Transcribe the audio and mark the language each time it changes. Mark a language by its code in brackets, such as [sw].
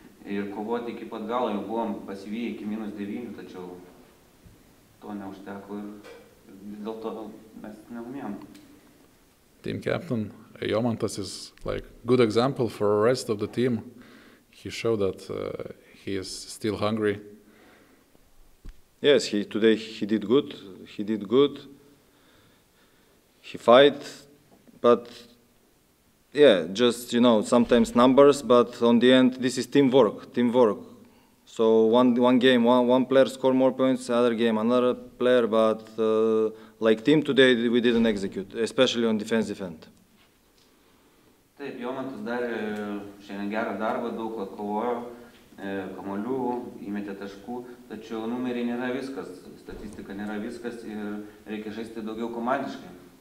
[lt] ir kovoti iki pat galo, jau buvom pasivyję iki minus 9, tačiau to neužteko ir dėl to mes neumėjom. [en] Team captain Jomantas is like good example for the rest of the team. He showed that he is still hungry. Yes, today he did good. He did good. He fight, but yeah, just you know, sometimes numbers, but on the end this is teamwork. Teamwork. So one game, one player score more points, other game another player, but like team today we didn't execute, especially on defensive end. [lt] Taip, Jomantas darė šiandien gerą darbą, daug atkovojo kamuolių, įmetė taškų, tačiau numeriai nėra viskas, statistika nėra viskas ir reikia žaisti daugiau komandiškai.